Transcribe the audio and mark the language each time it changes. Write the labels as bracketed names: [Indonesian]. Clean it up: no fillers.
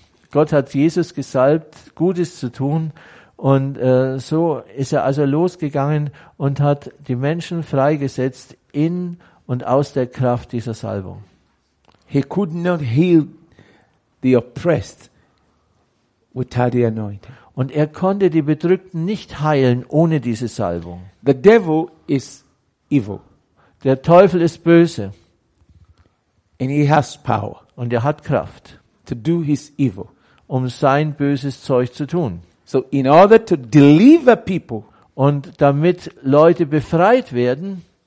[German] Gott hat Jesus gesalbt, Gutes zu tun, und so ist er also losgegangen und hat die Menschen freigesetzt in und aus der Kraft dieser Salbung. [English] He could not heal the oppressed without the anointing. [German] Und er konnte die Bedrückten nicht heilen ohne diese Salbung. [English] The devil is evil. [German] Der Teufel ist böse. [English] And he has power. [German] Und er hat Kraft. [English] To do his evil. [German] Um sein böses Zeug zu tun. [English] So in order to deliver people, [German] und damit Leute befreit werden